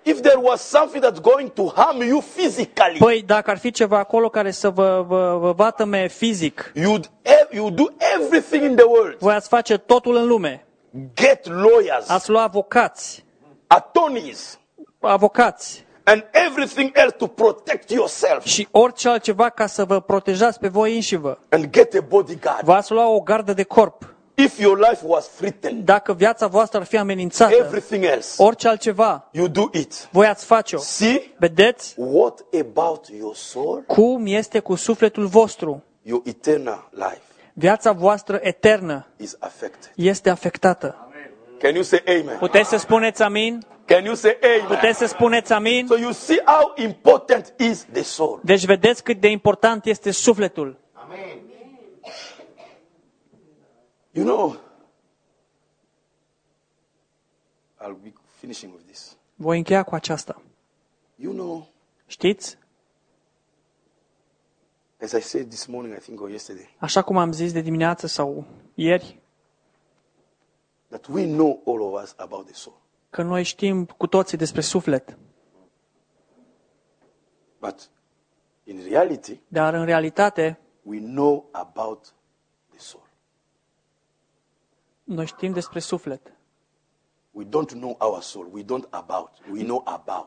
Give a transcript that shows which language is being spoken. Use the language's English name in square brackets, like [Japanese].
[English] If there was something that's going to harm you physically. [Romanian] Păi, dacă ar fi ceva acolo care să vă vătăme fizic. [English] You do everything in the world. [Romanian] Voi ați face totul în lume. [English] Get lawyers. [Romanian] Ați lua avocați. [English] Attorneys. [Romanian] Avocați. [English] And everything else to protect yourself. [Romanian] Și orice altceva ca să vă protejați pe voi înșivă. [English] And get a bodyguard. [Romanian] Vă ați lua o gardă de corp. [English] If your life was threatened, [Romanian] dacă viața voastră ar fi amenințată, [English] everything else, [Romanian] orice altceva, [English] you do it. [Romanian] Voi ați face-o. [English] See? [Romanian] Vedeți? [English] What about your soul? [Romanian] Cum este cu sufletul vostru? [English] Your eternal life. [Romanian] Viața voastră eternă [English] is affected. [Romanian] Este afectată. [English] Amen. Can you say amen? [Romanian] Puteți să spuneți amin? [English] Can you say amen? [Romanian] Puteți să spuneți amin? [English] So you see how important is the soul. [Romanian] Deci vedeți cât de important este sufletul. [English] You know, I'll be finishing with this. [Romanian] Voi încheia cu aceasta. [English] You know, [Romanian] știți? [English] As I said this morning, I think or yesterday. [Romanian] Așa cum am zis de dimineață sau ieri. [English] That we know all of us about the soul. [Romanian] că noi știm cu toții despre suflet. [English] But in reality, [Romanian] dar în realitate, [English] we know about the soul. [Romanian] Noi știm despre suflet. [English] We don't know our soul. We don't about. We know about.